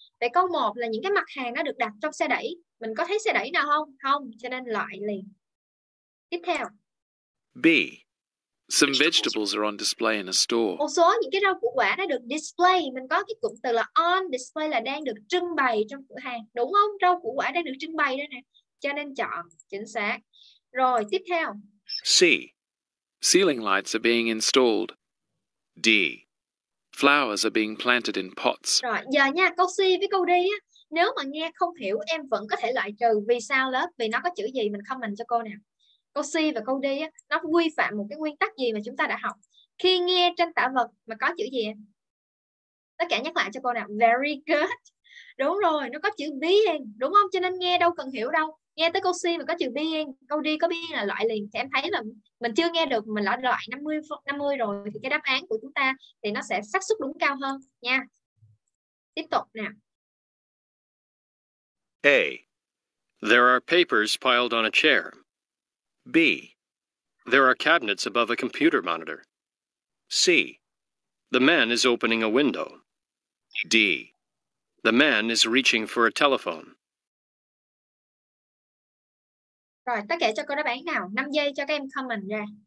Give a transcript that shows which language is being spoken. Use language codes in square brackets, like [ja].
[vi] Vậy câu 1 là những cái mặt hàng nó được đặt trong xe đẩy. Mình có thấy xe đẩy nào không? Không. Cho nên loại liền. Tiếp theo. [en] B. Some vegetables are on display in a store. [vi] Một số những cái rau củ quả đã được display. Mình có cái cụm từ là on display là đang được trưng bày trong cửa hàng. Đúng không? Rau củ quả đang được trưng bày đây nè. Cho nên chọn. Chính xác. Rồi, tiếp theo. [en] C. Ceiling lights are being installed. D. Flowers are being planted in pots. [vi] Rồi, giờ nha. Câu C với câu D á. Nếu mà nghe không hiểu, em vẫn có thể loại trừ. Vì sao lớp? Vì nó có chữ gì? Mình comment cho cô nè. Câu C và câu D á, nó vi phạm một cái nguyên tắc gì mà chúng ta đã học. Khi nghe tranh tả vật mà có chữ gì em? Tất cả nhắc lại cho cô nào. [en] Very good. [vi] Đúng rồi, nó có chữ being. Đúng không? Cho nên nghe đâu cần hiểu đâu. Nghe tới câu C mà có chữ being, câu D có being là loại liền. Thì em thấy là mình chưa nghe được, mình đã loại 50-50 rồi. Thì cái đáp án của chúng ta thì nó sẽ xác suất đúng cao hơn nha. Tiếp tục nào. [en] A. There are papers piled on a chair. B. There are cabinets above a computer monitor. C. The man is opening a window. D. The man is reaching for a telephone. [vi] Rồi, tất cả cho cô đáp án nào. 5 giây cho các em comment ra.